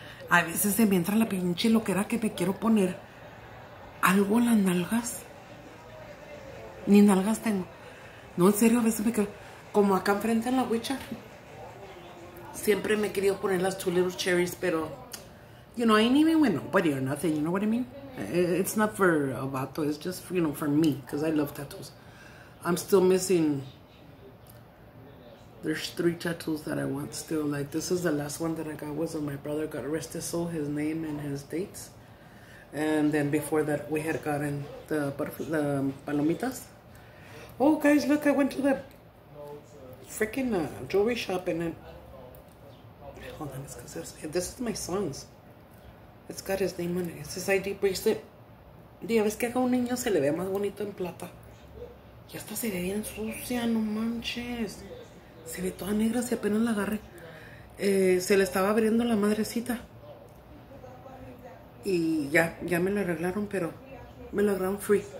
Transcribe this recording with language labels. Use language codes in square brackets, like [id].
[es] A veces se me entra la pinche loquera que me quiero poner algo en las nalgas. Ni nalgas tengo. No, en serio, a veces me quedo como acá enfrente en la huicha. Siempre me he querido poner las [en] two little cherries, [es] pero... [en] You know, I ain't even with nobody or nothing, you know what I mean? It's not for a vato, it's just, you know, for me, because I love tattoos. I'm still missing... There's three tattoos that I want still. Like, this is the last one that I got was of my brother, God rest his soul, his name and his dates. And then before that, we had gotten the palomitas. Oh, guys, look, I went to the freaking jewelry shop and then... Hold on, it's because this is my son's. It's got his name on it. It's his ID bracelet. [es] Día, ves que a un niño se le ve más bonito en plata. Y hasta se ve bien sucia, no manches. Se ve toda negra si apenas la agarre. Se le estaba abriendo la madrecita. Y ya me lo arreglaron, pero me lo arreglaron free.